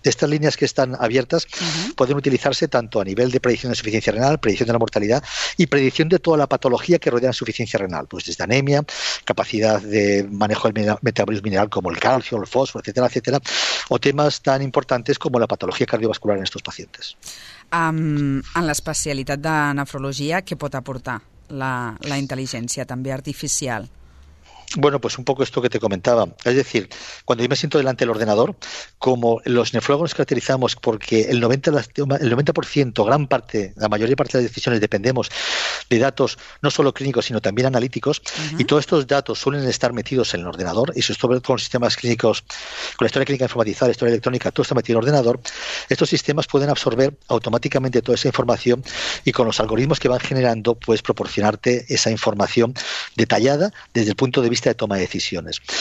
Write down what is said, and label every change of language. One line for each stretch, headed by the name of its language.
Spanish: Estas líneas que están abiertas pueden utilizarse tanto a nivel de predicción de insuficiencia renal, predicción de la mortalidad y predicción de toda la patología que rodea la insuficiencia renal, pues desde anemia, capacidad de manejo del metabolismo mineral como el calcio, el fósforo, fósforo, etcétera, etcétera,
Catalan: o temes tan importants com la patologia cardiovascular en aquests pacients. En l'especialitat de nefrologia, què pot aportar la intel·ligència també artificial?
Spanish: Bueno, pues un poco esto que te comentaba. Es decir, cuando yo me siento delante del ordenador, como los nefrólogos nos caracterizamos porque el 90%, gran parte, la mayoría parte de las decisiones dependemos de datos no solo clínicos, sino también analíticos, uh-huh. y todos estos datos suelen estar metidos en el ordenador, y sobre todo con los sistemas clínicos, con la historia clínica informatizada, la historia electrónica, todo está metido en el ordenador, estos sistemas pueden absorber automáticamente toda esa información y con los algoritmos que van generando, pues proporcionarte esa información detallada desde el punto de vista de toma de decisiones.